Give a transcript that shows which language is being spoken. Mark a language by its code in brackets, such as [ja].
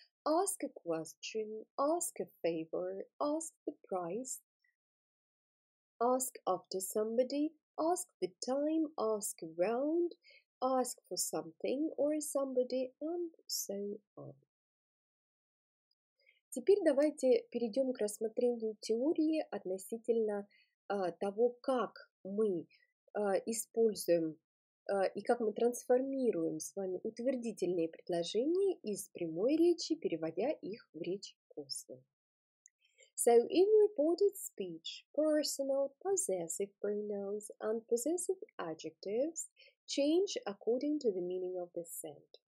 [en] Ask a question, ask a favor, ask the price, ask after somebody, ask the time, ask around, ask for something or somebody, and so on. [ru] Теперь давайте перейдем к рассмотрению теории относительно того, как мы используем и как мы трансформируем с вами утвердительные предложения из прямой речи, переводя их в речь косвенную. [en] So in reported speech, personal, possessive pronouns and possessive adjectives change according to the meaning of the sentence.